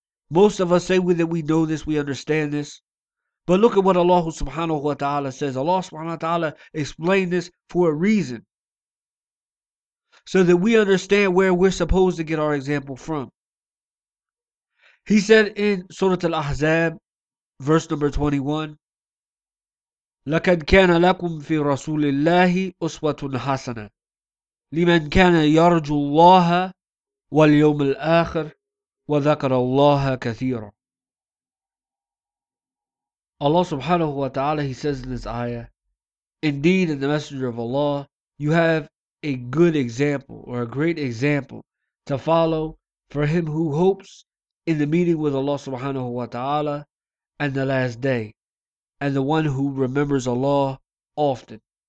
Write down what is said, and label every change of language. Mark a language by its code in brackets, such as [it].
[en] Most of us say that we know this, we understand this. But look at what Allah subhanahu wa ta'ala says. Allah subhanahu wa ta'ala explained this for a reason, so that we understand where we're supposed to get our example from. He said in Surah Al-Ahzab, verse number 21, [ar] لَكَدْ كَانَ لَكُمْ فِي رَسُولِ اللَّهِ أُسْوَةٌ حَسَنَةٌ لِمَنْ كَانَ يَرْجُ اللَّهَ وَالْيَوْمِ الْآخِرِ وَذَكَرَ اللَّهَ كَثِيرًا. [en] Allah subhanahu wa ta'ala, he says in this ayah, indeed in the Messenger of Allah, you have a good example or a great example to follow for him who hopes in the meeting with Allah subhanahu wa ta'ala and the last day, and the one who remembers Allah often.